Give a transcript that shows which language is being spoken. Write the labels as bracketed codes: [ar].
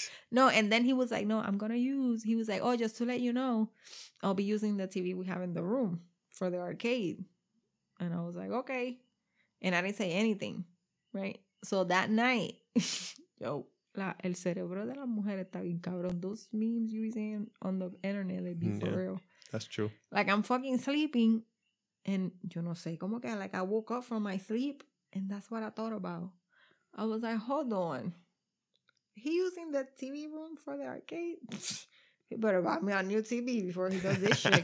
[en] No, and then he was like, no, I'm going to use. He was like, oh, just to let you know, I'll be using the TV we have in the room for the arcade. And I was like, okay. And I didn't say anything, right? So that night, [es] yo, el cerebro de la mujer está bien cabrón. [en] Those memes you were saying on the internet, they be for real. That's true. Like, I'm fucking sleeping. And [es] yo no sé, como que, [en] like, I woke up from my sleep. And that's what I thought about. I was like, hold on. He using the TV room for the arcade? He better buy me a new TV before he does this shit.